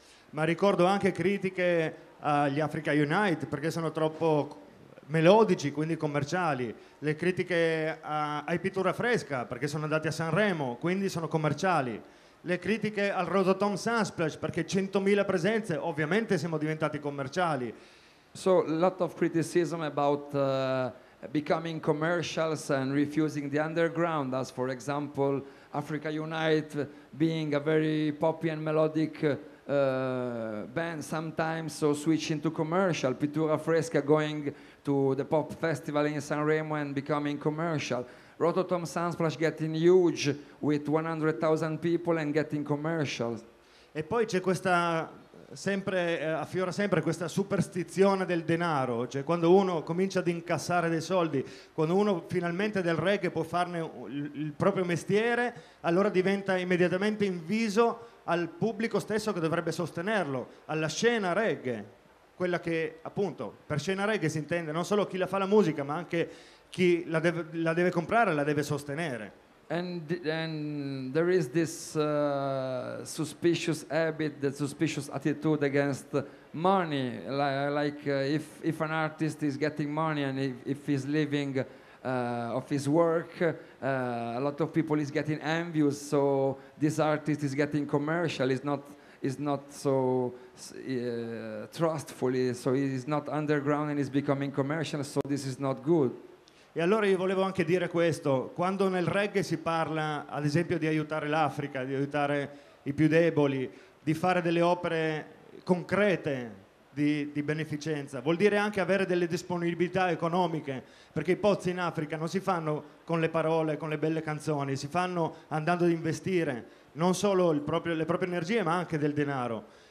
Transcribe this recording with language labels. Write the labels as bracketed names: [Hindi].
[Italian] Ma ricordo anche critiche agli Africa Unite perché sono troppo melodici, quindi commerciali. Le critiche ai Pittura Fresca perché sono andati a Sanremo, quindi sono commerciali. Le critiche al Rototom Sunsplash perché 100.000 presenze, ovviamente siamo diventati commerciali. [English] So a lot of criticism about becoming commercials and refusing the underground, as for example Africa Unite being a very poppy and melodic band sometimes, so switching to commercial. Pittura Fresca going to the pop festival in Sanremo and becoming commercial. Rototom Sunsplash getting huge with 100,000 people and getting commercial. [Italian] E poi c'è questa, sempre affiora sempre questa superstizione del denaro, cioè quando uno comincia ad incassare dei soldi, quando uno finalmente del reggae può farne il proprio mestiere, allora diventa immediatamente inviso al pubblico stesso che dovrebbe sostenerlo, alla scena reggae, quella che appunto per scena reggae si intende non solo chi la fa la musica, ma anche chi la deve comprare e la deve sostenere. [English] And there is this suspicious habit, the suspicious attitude against money, if an artist is getting money and if he's living of his work, a lot of people is getting envious, so this artist is getting commercial, is not so trustful, so he's not underground and he's becoming commercial, so this is not good. [Italian] E allora io volevo anche dire questo, quando nel reggae si parla ad esempio di aiutare l'Africa, di aiutare i più deboli, di fare delle opere concrete di beneficenza, vuol dire anche avere delle disponibilità economiche, perché i pozzi in Africa non si fanno con le parole, con le belle canzoni, si fanno andando ad investire non solo le proprie energie ma anche del denaro.